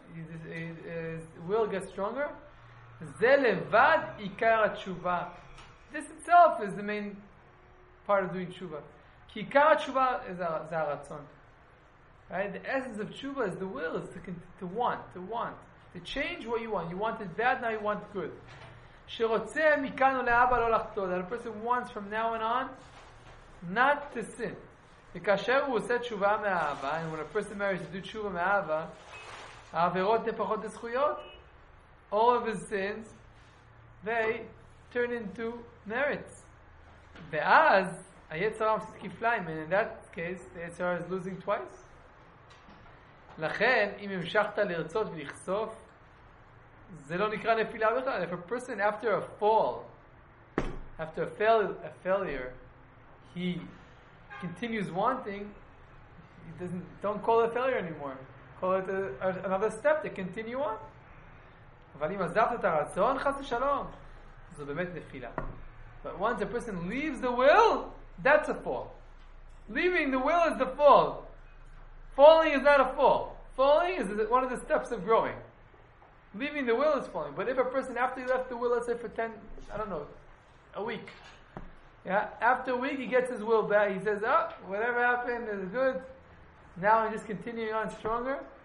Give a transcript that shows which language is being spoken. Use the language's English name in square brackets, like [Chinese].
[English] His will gets stronger. [Hebrew] זה לבד עיקר התשובה. [English] This itself is the main part of doing תשובה. [Hebrew] כי עיקר התשובה זה הרצון. [English] Right? The essence of tshuva is the will, is to want, to change what you want. You wanted bad, now you want good. [Hebrew] שרוצה מכאן ולהבא לא לחטוא. [English] That a person wants from now and on not to sin. [Hebrew] וכאשר הוא עושה תשובה מהאהבה, [English] and when a person marries to do תשובה מהאהבה, [Hebrew] העבירות נפחות לזכויות, [English] all of his sins, they turn into merits. [Hebrew] ואז, היצר הרע מפסיד כפליים, [English] and in that case, the יצר הרע is losing twice. [Hebrew] לכן, אם המשכת לרצות ולחשוף, זה לא נקרא נפילה בכלל. [English] If a person after a fall, after a failure, he continues wanting, don't call it a failure anymore. Call it another step to continue on. [Hebrew] אבל אם עזבת את הרצון, חס ושלום, זו באמת נפילה. [English] But once a person leaves the will, that's a fall. Leaving the will is the fall. Falling is not a fall. Falling is one of the steps of growing. Leaving the will is falling. But if a person, after he left the will, let's say for 10, I don't know, a week, yeah, after a week he gets his will back, he says, oh, whatever happened is good, now I'm just continuing on stronger.